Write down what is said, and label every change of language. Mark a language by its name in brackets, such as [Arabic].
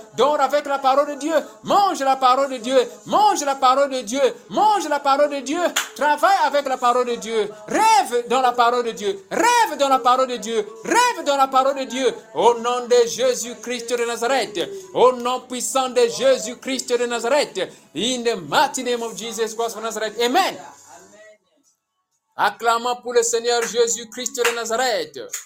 [French] Dors avec la parole de Dieu. Mange la parole de Dieu. Mange la parole de Dieu. Mange la parole de Dieu. Travaille avec la parole de Dieu. Rêve dans la parole de Dieu. Rêve dans la parole de Dieu. Rêve dans la parole de Dieu. Au nom de Jésus-Christ de Nazareth. Au nom puissant de Jésus-Christ de Nazareth. [English] In the mighty name of Jesus Christ of Nazareth. Amen. [French] Acclamons pour le Seigneur Jésus-Christ de Nazareth.